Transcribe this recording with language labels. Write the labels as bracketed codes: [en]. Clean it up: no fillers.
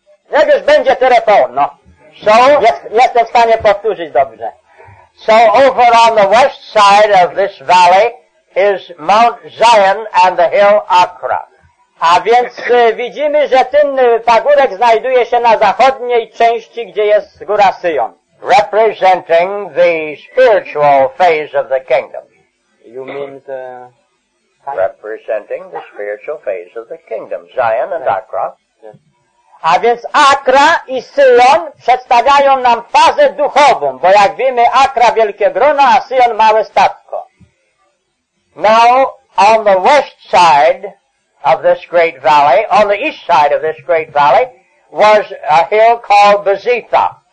[pl] Jak już będzie Tyropeon, no. [en] So, [pl] jestem w stanie powtórzyć dobrze. [en] So over on the west side of this valley is Mount Zion and the hill Acra. [pl] A więc widzimy, że ten pagórek znajduje się na zachodniej części, gdzie jest góra Syjon. [en] Representing the spiritual phase of the kingdom. You mean the... Representing the spiritual phase of the kingdom. Zion and Acra. [pl] A więc Akra i Syjon przedstawiają nam fazę duchową, bo jak wiemy, Akra wielkie grono, a Syjon małe statko. [en] Now, on the west side of this great valley, on the east side of this great valley, was a hill called Bezitha.